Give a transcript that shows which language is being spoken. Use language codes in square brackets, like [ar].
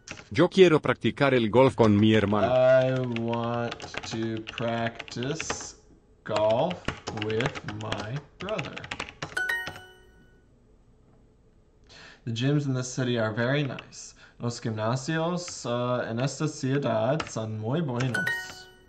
[es] Yo quiero practicar el golf con mi hermano. [en] I want to practice golf with my brother. The gyms in this city are very nice. [es] Los gimnasios en esta ciudad son muy buenos.